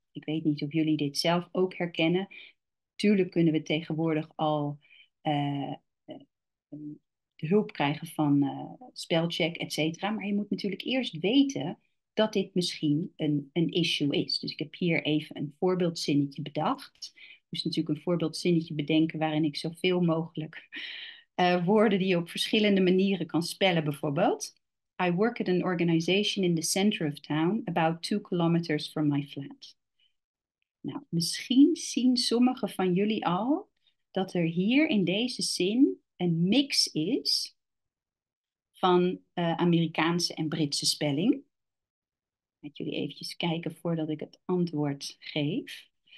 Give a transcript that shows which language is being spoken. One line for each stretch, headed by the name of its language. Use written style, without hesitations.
Dutch: Ik weet niet of jullie dit zelf ook herkennen. Tuurlijk kunnen we tegenwoordig al de hulp krijgen van spellcheck, et cetera. Maar je moet natuurlijk eerst weten dat dit misschien een issue is. Dus ik heb hier even een voorbeeldzinnetje bedacht. Dus natuurlijk een voorbeeldzinnetje bedenken waarin ik zoveel mogelijk woorden die je op verschillende manieren kan spellen, bijvoorbeeld.
English: I work at an organization in the center of town, about 2 kilometers from my flat.
Dutch: Nou, misschien zien sommigen van jullie al dat er hier in deze zin een mix is van Amerikaanse en Britse spelling. Ik laat jullie eventjes kijken voordat ik het antwoord geef.